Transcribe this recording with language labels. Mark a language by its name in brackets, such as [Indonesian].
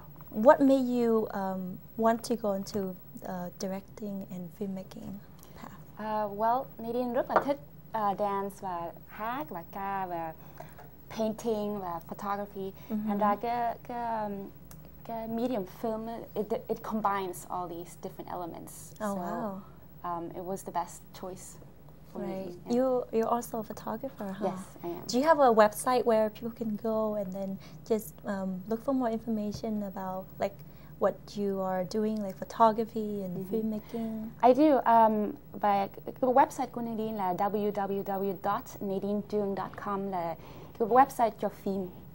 [English] What made you want to go into directing and filmmaking path? [Vietnamese] Well, Nadine rất là thích dance và hát và ca và painting và photography. [English] Mm-hmm. And medium film, it combines all these different elements. Oh, so, wow. It was the best choice for right. me. Yeah. You're also a photographer, huh? Yes, I am. Do you have a website where people can go and then just look for more information about like what you are doing, like photography and mm-hmm. filmmaking? I do. The website [Vietnamese] của Nadine là www.nadinetruong.com là cái website cho phim.